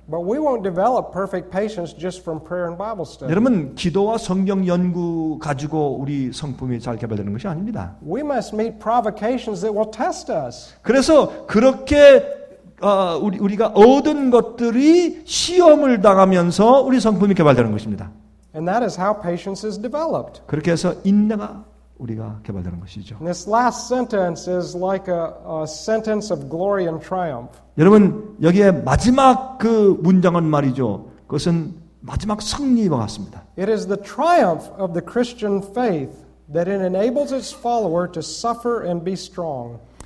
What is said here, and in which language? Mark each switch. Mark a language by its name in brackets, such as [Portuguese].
[English] But we won't develop perfect patience just from prayer and Bible study. [Korean] 여러분 기도와 성경 연구 가지고 우리 성품이 잘 개발되는 것이 아닙니다. [English] We must meet provocations that will test us. [Korean] 그래서 그렇게 우리가 얻은 것들이 시험을 당하면서 우리 성품이 개발되는 것입니다. [English] And that is how patience is developed. [Korean] 그렇게 해서 인내가 우리가 개발되는 것이죠. [English] This last sentence is like a sentence of glory and triumph. [Korean] 여러분 여기에 마지막 그 문장은 말이죠. 그것은 마지막 승리와 같습니다. [English] It is the triumph of the Christian faith that it enables its follower to suffer and be strong.